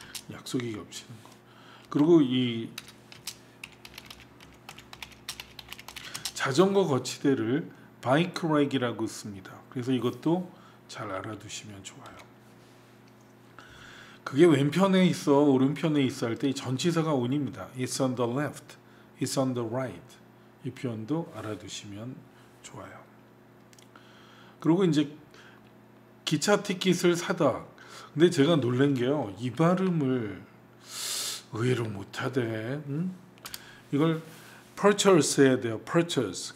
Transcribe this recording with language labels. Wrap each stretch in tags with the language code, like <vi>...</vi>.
<ko>약속이 겹치는 거. 그리고 이 자전거 거치대를 bike rack이라고 씁니다. 그래서 이것도 잘 알아두시면 좋아요. 그게 왼편에 있어, 오른편에 있어 할 때 전치사가 on입니다.</ko> <en>It's on the left, it's on the right.</en> <ko>이 표현도 알아두시면 좋아요. 그리고 이제 기차 티켓을 사다. 근데 제가 놀란 게요. 이 발음을 의외로 못하대. 응? 이걸 purchase 해야 돼요. purchase.</ko>